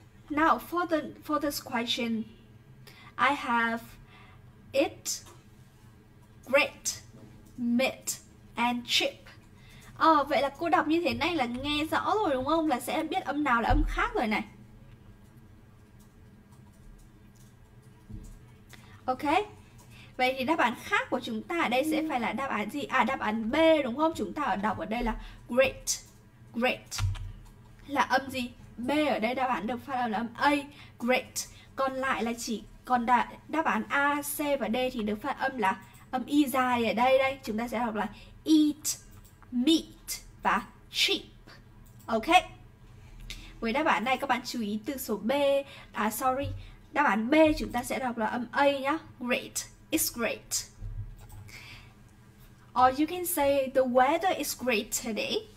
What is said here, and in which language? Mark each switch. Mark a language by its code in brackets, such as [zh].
[en] Now for this question, I have it, grit, mitt, and chip. [vi] Vậy là cô đọc như thế này là nghe rõ rồi đúng không? Là sẽ biết âm nào là âm khác rồi này. Ok. Vậy thì đáp án khác của chúng ta ở đây sẽ phải là đáp án gì? À, đáp án B đúng không? Chúng ta đọc ở đây là great. Great là âm gì? B ở đây đáp án được phát âm là âm A, great. Còn lại là chỉ còn đáp án A, C và D thì được phát âm là âm Y dài ở đây đây. Chúng ta sẽ đọc là eat, meat và cheap. Ok. Với đáp án này các bạn chú ý từ số B. À sorry, đáp án B chúng ta sẽ đọc là âm A nhá. [en] Great. It's great. Or you can say the weather is great today.